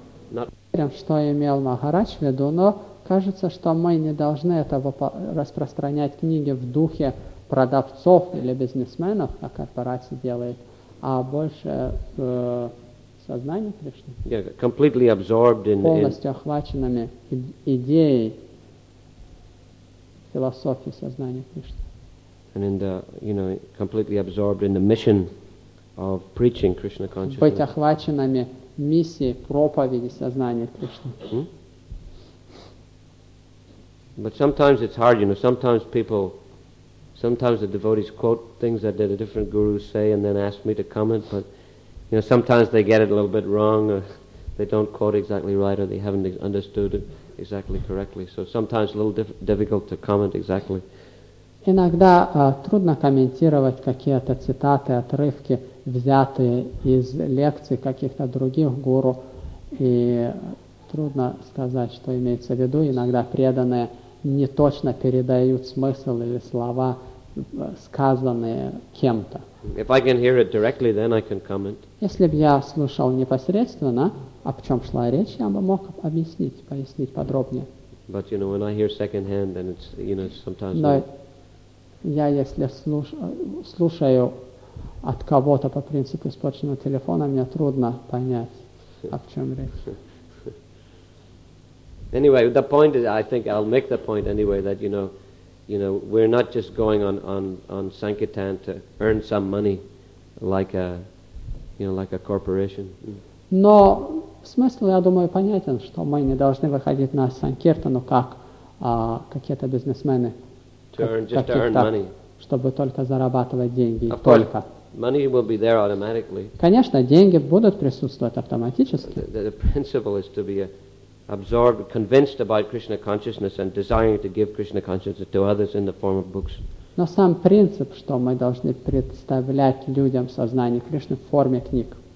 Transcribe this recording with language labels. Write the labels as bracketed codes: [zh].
[en] Not [ru] уверен, что имел Махарадж в виду, но кажется, что мы не должны этого распространять книги в духе продавцов или бизнесменов, как корпорация делает, а больше сознание Кришны. [en] Yeah, completely absorbed in [ru] полностью охваченными идеей философии сознания Кришны. [en] And in the, you know, completely absorbed in the mission of preaching Krishna consciousness. [ru] Быть охваченными миссией проповеди сознания Кришны. [en] But sometimes it's hard, you know, sometimes people. Sometimes the devotees quote things that the different gurus say and then ask me to comment, but you know, sometimes they get it a little bit wrong, or they don't quote exactly right, or they haven't understood it exactly correctly. So sometimes a little difficult to comment exactly. [ru] Иногда трудно комментировать какие-то цитаты, отрывки, взятые из лекций каких-то других гуру, и трудно сказать, что имеется в виду, иногда преданные не точно передают смысл или слова, сказанные кем-то. [en] If I can hear it directly, then I can comment. [ru] Если бы я слушал непосредственно, о чем шла речь, я бы мог объяснить, пояснить подробнее. [en] But you know, when I hear second-hand, then it's, you know, sometimes. [ru] Но я если слушаю от кого-то по принципу испорченного телефона, мне трудно понять, о чем речь. [en] Anyway, the point is, I think I'll make the point anyway that you know, we're not just going on Sankirtan to earn some money, like a corporation. [ru] Но смысл, я думаю, понятен, что мы не должны выходить на Санкиртану как какие-то бизнесмены, чтобы только зарабатывать деньги только. [en] Money will be there automatically. [ru] Конечно, деньги будут присутствовать автоматически. [en] The principle is to be absorbed, convinced about Krishna consciousness and desiring to give Krishna consciousness to others in the form of books. [ru] Но сам принцип, что мы должны представлять людям сознание Кришны в форме книг.